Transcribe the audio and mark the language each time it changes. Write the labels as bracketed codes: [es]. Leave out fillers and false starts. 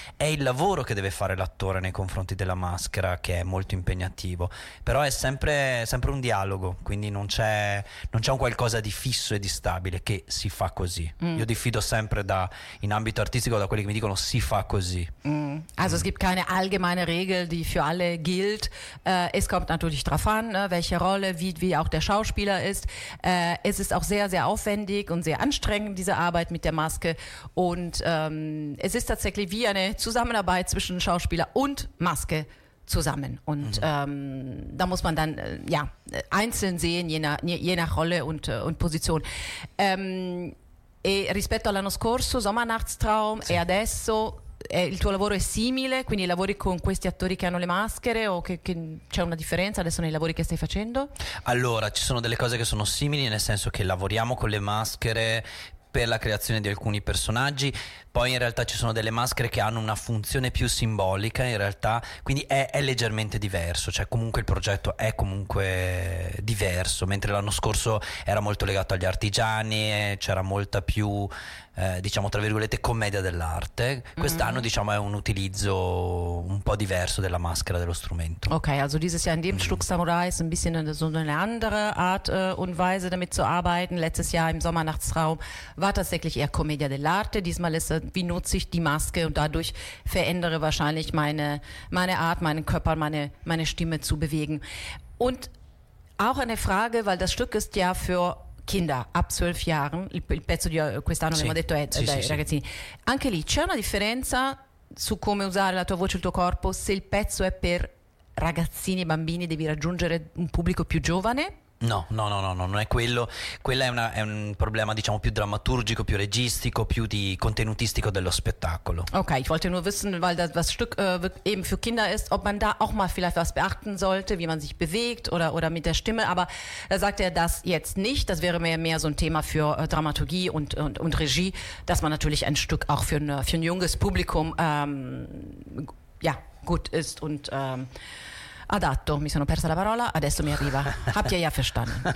[it] È il lavoro che deve fare l'attore nei confronti della maschera, che è molto impegnativo, però è sempre un dialogo, quindi non c'è un qualcosa di fisso essere distabile, che si fa così. Mm. Io diffido sempre da, in ambito artistico, da quelli che mi dicono si fa così. Mm. [de] Also es gibt keine allgemeine Regel, die für alle gilt. Es kommt natürlich drauf an, ne, welche Rolle, wie auch der Schauspieler ist. Es ist auch sehr, sehr aufwendig und sehr anstrengend, diese Arbeit mit der Maske. Und es ist tatsächlich wie eine Zusammenarbeit zwischen Schauspieler und Maske zusammen. Und da muss man dann ja einzeln sehen, je nach Rolle und Position. [it] E rispetto all'anno scorso, Sommernachtstraum, sì. E adesso, il tuo lavoro è simile, quindi lavori con questi attori che hanno le maschere o che c'è una differenza adesso nei lavori che stai facendo? Allora, ci sono delle cose che sono simili, nel senso che lavoriamo con le maschere per la creazione di alcuni personaggi, poi in realtà ci sono delle maschere che hanno una funzione più simbolica in realtà, quindi è leggermente diverso, cioè comunque il progetto è comunque diverso, mentre l'anno scorso era molto legato agli artigiani, c'era molta più, diciamo tra virgolette, commedia dell'arte, quest'anno diciamo è un utilizzo un po' diverso della maschera, dello strumento. [de] Ok, also dieses Jahr in dem Stück Samurai ist ein bisschen so eine andere Art und Weise damit zu arbeiten, letztes Jahr im Sommernachtsraum war tatsächlich eher Commedia dell'arte, diesmal ist wie nutze ich die Maske und dadurch verändere wahrscheinlich meine Art, meinen Körper, meine Stimme zu bewegen. Und auch eine Frage, weil das Stück ist ja für Kinder ab 12 Jahren, [it] il pezzo di quest'anno, abbiamo detto, è dai ragazzini. Anche lì c'è una differenza su come usare la tua voce, il tuo corpo, se il pezzo è per ragazzini e bambini, devi raggiungere un pubblico più giovane? No, non è quello. Quella è un problema, diciamo, più drammaturgico, più registico, più di contenutistico dello spettacolo. [de] Ok, ich wollte nur wissen, weil das Stück eben für Kinder ist, ob man da auch mal vielleicht was beachten sollte, wie man sich bewegt oder mit der Stimme. Aber da sagt er das jetzt nicht. Das wäre mehr so ein Thema für Dramaturgie und Regie, dass man natürlich ein Stück auch für ein junges Publikum ja, gut ist und [it] adatto, mi sono persa la parola, adesso mi arriva. [de] Habt ihr ja verstanden.